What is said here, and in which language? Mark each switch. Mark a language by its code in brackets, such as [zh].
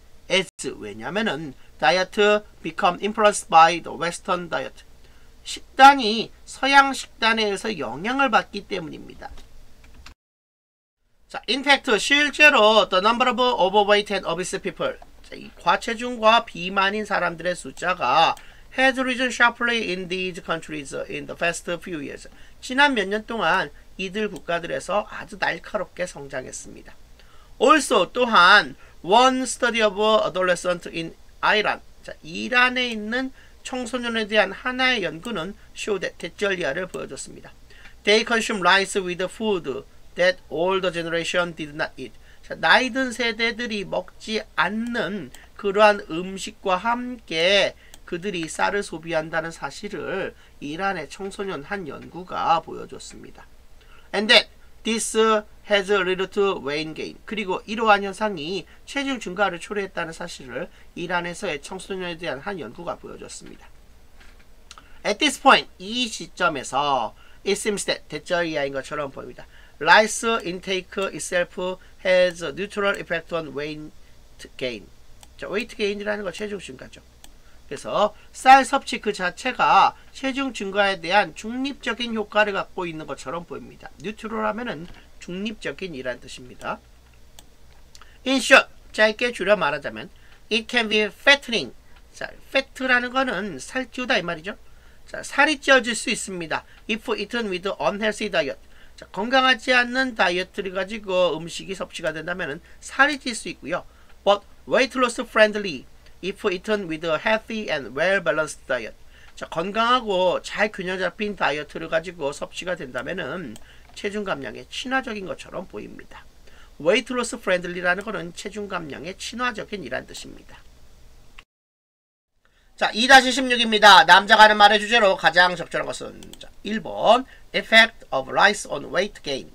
[en] As, [ko] 왜냐면은 [en] diet become influenced by the western diet. [ko] 식단이 서양 식단에 의해서 영향을 받기 때문입니다. 자, [en] in fact, [ko] 실제로 [en] the number of overweight and obese people, [ko] 자, 이 과체중과 비만인 사람들의 숫자가 [en] has risen sharply in these countries in the past few years. [ko] 지난 몇 년 동안 이들 국가들에서 아주 날카롭게 성장했습니다. [en] Also, [ko] 또한 [en] one study of adolescent in Iran, [ko] 자, 이란에 있는 청소년에 대한 하나의 연구는 [en] showed that, [ko] 대절리아를 보여줬습니다. [en] They consume rice with food that older generation did not eat. [ko] 자, 나이 든 세대들이 먹지 않는 그러한 음식과 함께 그들이 쌀을 소비한다는 사실을 이란의 청소년 한 연구가 보여줬습니다. [en] And that this has led to weight gain. [ko] 그리고 이러한 현상이 체중 증가를 초래했다는 사실을 이란에서의 청소년에 대한 한 연구가 보여줬습니다. [en] At this point, [ko] 이 시점에서 [en] it seems that, [ko] 대절이야인 것처럼 보입니다. [en] Rice intake itself has a neutral effect on weight gain. [ko] 자, weight gain이라는 건 체중 증가죠. 그래서 쌀 섭취 그 자체가 체중 증가에 대한 중립적인 효과를 갖고 있는 것처럼 보입니다. Neutral 하면은 중립적인 이란 뜻입니다. [en] In short, [ko] 짧게 줄여 말하자면 [en] it can be fattening. [ko] 자, fat라는 거는 살찌우다 이 말이죠. 자, 살이 찌어질 수 있습니다. [en] If eaten with unhealthy diet. [ko] 자, 건강하지 않는 다이어트를 가지고 음식이 섭취가 된다면은 살이 찔 수 있고요. [en] But weight loss friendly if eaten with a healthy and well-balanced diet. [ko] 자, 건강하고 잘 균형 잡힌 다이어트를 가지고 섭취가 된다면은 체중 감량에 친화적인 것처럼 보입니다. Weight loss friendly라는 것은 체중 감량에 친화적인 이란 뜻입니다. 자, 2-16입니다. 남자가 하는 말의 주제로 가장 적절한 것은 자, 1번 [en] Effect of rice on weight gain.